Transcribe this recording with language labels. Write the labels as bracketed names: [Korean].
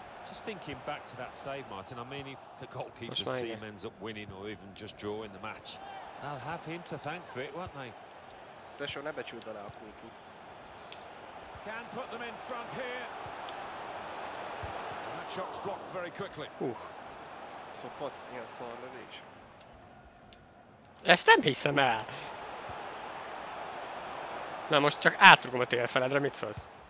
[English] Just thinking back to that save, Martin. I mean, if the goalkeeper's team ends up winning or even just drawing the match, they'll have him to thank for it, won't they? [Hungarian] Tesó, ne becsüld alá a kulcsot. [English] Can put them in front here. That shot's blocked very quickly. [Hungarian] Szopat, ilyen szar lövés. Ezt nem hiszem el! Na most csak átrugom a télfeledre, mit szólsz?